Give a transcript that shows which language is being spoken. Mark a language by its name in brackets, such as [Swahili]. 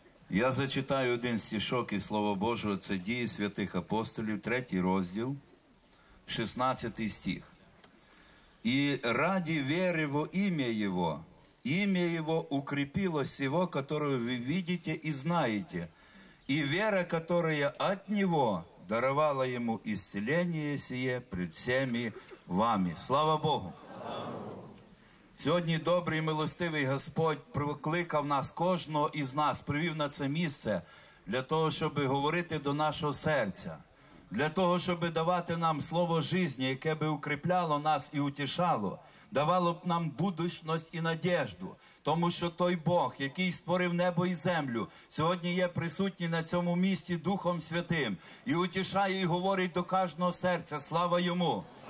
[Ukrainian] Я зачитаю один стишок із Слова Божого, це «Дії святих апостолів», 3 розділ, 16 стих. «І раді вери во ім'я Його, [Russian] Имя его укрепило сего, которое вы видите и знаете. И вера, которая от него, даровала ему исцеление сие пред всеми вами. Слава Богу! [Ukrainian] Сьогодні добрий, милостивий Господь прикликав нас, кожного із нас, привів на це місце для того, щоб говорити до нашого серця, для того, щоб давати нам слово життя, яке би укріпляло нас і утішало, давало б нам будущність і надіжду, тому що той Бог, який створив небо і землю, сьогодні є присутній на цьому місці Духом Святим і утішає і говорить до кожного серця, слава Йому!